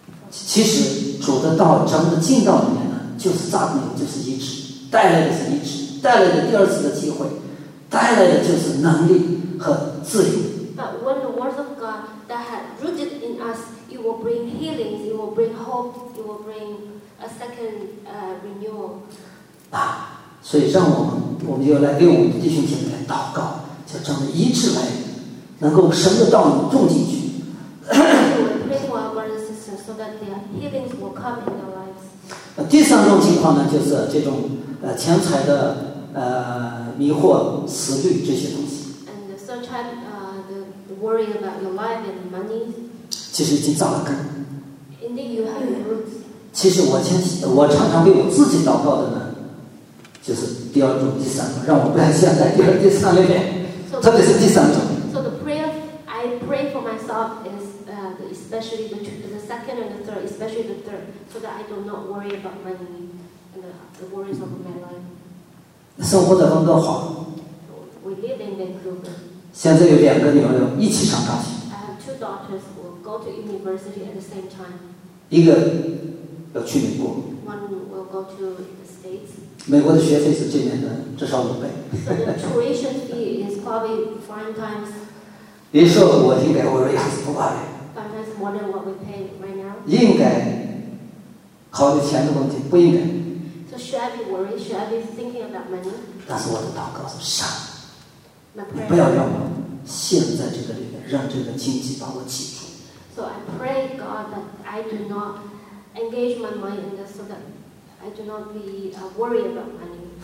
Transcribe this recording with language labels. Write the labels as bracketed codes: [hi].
[zh] 其实主的道，真的进道里面呢，就是扎根，就是医治，带来的是医治，带来的第二次的机会，带来的就是能力和自由。 [en] But when the word of God that had rooted in us, it will bring healing, it will bring hope, it will bring. A second renewal. [zh] 啊，所以让我们就来给我们的弟兄姐妹祷告，叫这样的医治来，能够神的道种进去。第三种情况呢，就是这种钱财的迷惑、思虑这些东西。 [en] And the third time, the worry about your life and money. [zh] 其实已经扎了根。 [en] Indeed, you have roots. [zh] 其实我常常为我自己祷告的呢，就是第二种、第三种，让我不要陷在第三里面， [en] so, [zh] 特别是第三种。 [en] So the prayer I pray for myself is especially the second and the third, especially the third, so that I do not worry about money and the worries of my life. [zh] 生活在温哥华。 [en] We live in Vancouver. [zh] 现在有两个女儿一起上大学。 [en] I have two daughters who go to university at the same time. [zh] 一个。要去美国。 [en] One will go to the States. [zh] 美国的学费是今年的至少五倍。 [en] So the tuition fee is probably five times. [zh] 你说我应该，我说也是不怕的。 [en] Five times more than what we pay right now. [zh] 应该考虑钱的问题，不应该。 [en] So should I be worried? Should I be thinking about money? [zh] 但是我的祷告是神，不要让我陷在这个里面，让这个经济把我挤住。 [en] So I pray God that I do not. Engage my mind in this so that I do not be worried about money.